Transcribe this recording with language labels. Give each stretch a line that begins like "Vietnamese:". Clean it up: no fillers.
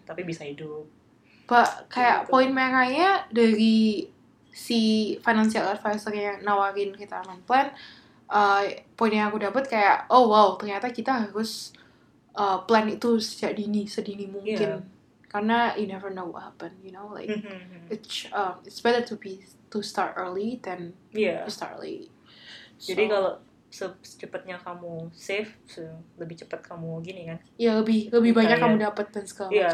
Indonesian: Tapi bisa hidup. Pak, kayak gitu. Poin merahnya dari si financial advisor yang nawarin kita retirement plan, poin yang aku dapat kayak, oh wow, ternyata kita harus plan itu sejak dini, sedini mungkin. Iya.
English: Karena you never know what happen, you know, like it's better to be to start early than yeah. to start late.
Indonesian: Jadi so, kalau secepatnya kamu save, lebih cepat kamu gini kan? Iya lebih banyak kamu dapat dan segala yeah.